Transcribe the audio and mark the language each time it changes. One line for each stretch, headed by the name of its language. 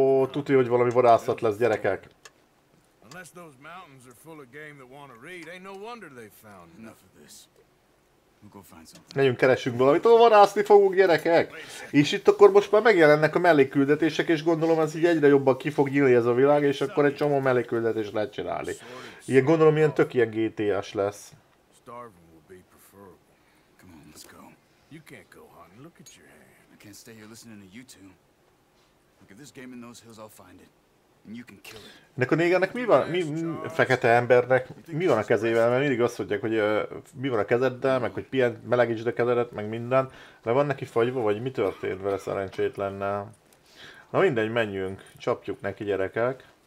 Hungarian: Tuti, hogy valami vadászat lesz, gyerekek.
English: Unless those mountains are full of game that want to read, ain't no wonder they found enough of this. We'll go find something.
Hungarian: Megyünk, keresünk valamit, ahol vadászni fogunk, gyerekek! És itt akkor most már megjelennek a mellékküldetések, és gondolom ez így egyre jobban ki fog nyílni ez a világ, és akkor egy csomó mellékküldetést lehet csinálni. Igen, gondolom ilyen tök ilyen GTA-s lesz.
English: Starving will be preferable. Come on, let's go. You can't go hunting, look at your hand. I can't stay here listening to you two. Look at this game in those hills, I'll find it.
Hungarian: Ennek a négernek mi van, fekete embernek, mi van a kezével, mert mindig azt mondják, hogy mi van a kezeddel, meg hogy pihent, melegítsd a kezedet, meg minden. De van neki fagyva, vagy mi történt vele szerencsétlennel? Na mindegy, menjünk, csapjuk neki, gyerekek.